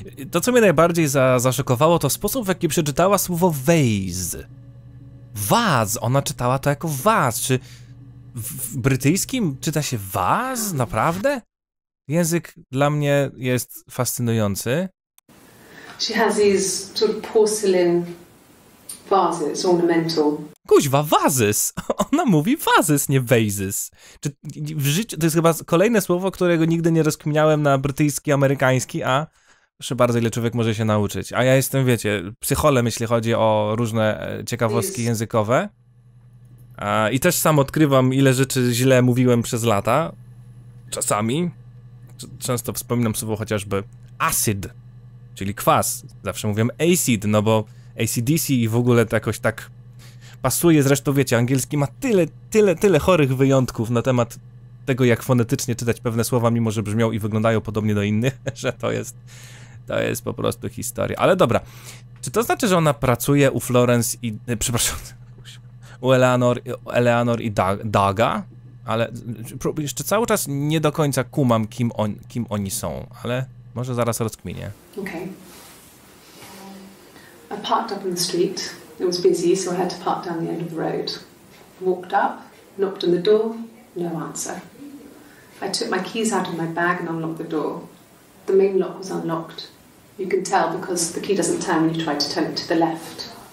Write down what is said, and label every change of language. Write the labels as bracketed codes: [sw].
[pl] To, co mnie najbardziej zaszokowało, to sposób, w jaki przeczytała słowo vase. Vase. Ona czytała to jako vase. Czy w brytyjskim czyta się vase? Naprawdę? Język dla mnie jest fascynujący. She has these sort of porcelain vases, ornamental. Kuźwa, vases. Ona mówi vases, nie vases. Czy w życiu, to jest chyba kolejne słowo, którego nigdy nie rozkminiałem na brytyjski, amerykański, a proszę bardzo, ile człowiek może się nauczyć. A ja jestem, wiecie, psycholem, jeśli chodzi o różne ciekawostki językowe. A, i też sam odkrywam, ile rzeczy źle mówiłem przez lata. Czasami. Często wspominam słowo chociażby acid, czyli kwas. Zawsze mówiłem acid, no bo ACDC i w ogóle to jakoś tak pasuje, zresztą wiecie, angielski ma tyle chorych wyjątków na temat tego, jak fonetycznie czytać pewne słowa, mimo że brzmią i wyglądają podobnie do innych, że to jest po prostu historia. Ale dobra, czy to znaczy, że ona pracuje u Florence i, przepraszam, u Eleanor i Daga? Ale jeszcze cały czas nie do końca kumam, kim oni są, ale może zaraz rozkminię. [en] Okay. I parked up in the street. It was busy, so I had to park down the end of the road. Walked up, knocked on the door, no answer. I took my keys out of my bag and unlocked the door. The main lock was unlocked. You can tell because the key doesn't turn when you try to turn it to the left.